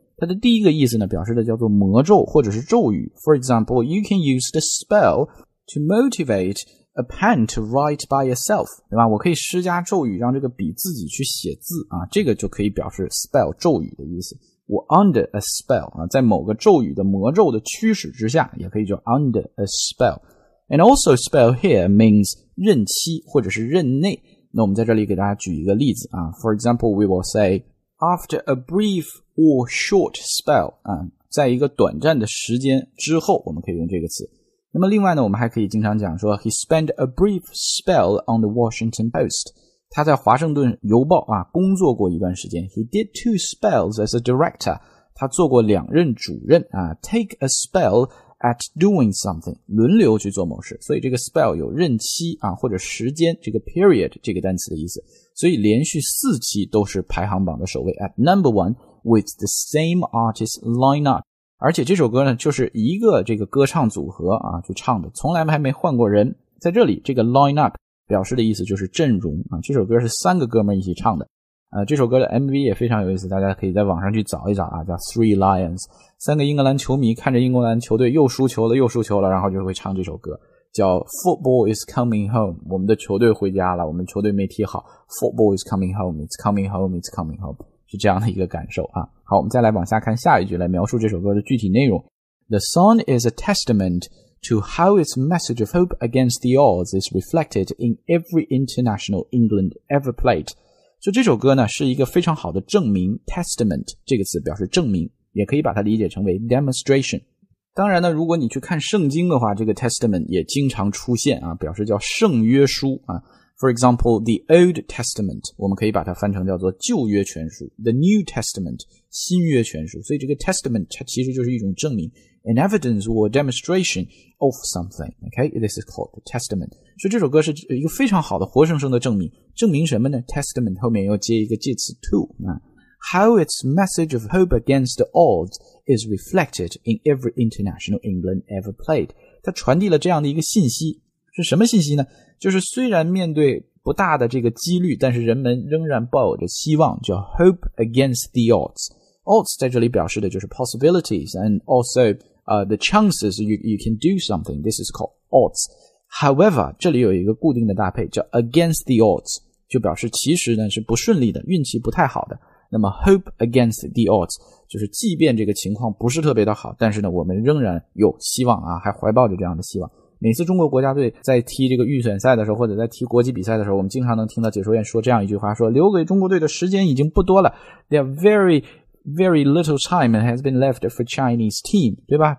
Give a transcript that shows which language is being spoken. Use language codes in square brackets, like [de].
[zh] 它的第一个意思呢，表示的叫做魔咒或者是咒语。 [en] For example, you can use the spell to motivateA pen to write by itself, [zh] 对吧？我可以施加咒语让这个笔自己去写字啊，这个就可以表示 spell 咒语的意思。我 under a spell 啊，在某个咒语的魔咒的驱使之下，也可以叫 under a spell. [en] And also spell here means [zh] 任期或者是任内。那我们在这里给大家举一个例子啊 ， [en] For example, we will say after a brief or short spell [zh] 啊，在一个短暂的时间之后，我们可以用这个词。那么另外呢，我们还可以经常讲说 [en] He spent a brief spell on the Washington Post. [zh] 他在华盛顿邮报啊工作过一段时间。 [en] He did two spells as a director. [zh] 他做过两任主任啊。 [en] Take a spell at doing something. [zh] 轮流去做某事。所以这个 spell 有任期啊或者时间，这个 period 这个单词的意思。所以连续四期都是排行榜的首位。 [en] At number one with the same artist lineup. [zh] 而且这首歌呢就是一个这个歌唱组合啊去唱的，从来还没换过人。在这里这个 line up 表示的意思就是阵容啊，这首歌是三个哥们一起唱的。这首歌的 MV 也非常有意思，大家可以在网上去找一找啊，叫 Three Lions， 三个英格兰球迷看着英格兰球队又输球了又输球了，然后就会唱这首歌，叫 [en] Football is coming home， [zh] 我们的球队回家了，我们球队没踢好， [en] Football is coming home， [zh] it's coming home， it's coming home，是这样的一个感受啊。好，我们再来往下看下一句，来描述这首歌的具体内容。 [en] The song is a testament to how its message of hope against the odds is reflected in every international England ever played. [zh] 所以这首歌呢是一个非常好的证明， testament 这个词表示证明，也可以把它理解成为 demonstration。当然呢，如果你去看圣经的话，这个 testament 也经常出现啊，表示叫圣约书啊。 [en] For example, the Old Testament, [zh] 我们可以把它翻成叫做旧约全书。 [en] The New Testament, 新约全书。 [zh] 所以这个 Testament, 它其实就是一种证明。 [en] An evidence or demonstration of something. Okay, this is called the Testament. [zh] 所以这首歌是一个非常好的活生生的证明。证明什么呢？ [en] Testament [zh] 后面又接一个介词 [en] to.、How its message of hope against the odds is reflected in every international England ever played. [zh] 它传递了这样的一个信息。是什么信息呢？就是虽然面对不大的这个几率，但是人们仍然抱有着希望，叫 hope against the odds。 [en] odds [zh] 在这里表示的就是 [en] possibilities and also the chances you can do something. This is called odds. [zh] However, 这里有一个固定的搭配叫 against the odds， 就表示其实呢是不顺利的，运气不太好的。那么 hope against the odds 就是即便这个情况不是特别的好，但是呢我们仍然有希望啊，还怀抱着这样的希望。每次中国国家队在踢这个预选赛的时候，或者在踢国际比赛的时候，我们经常能听到解说员说这样一句话，说留给中国队的时间已经不多了， [en] There are very, very little time has been left for Chinese team， [zh] 对吧？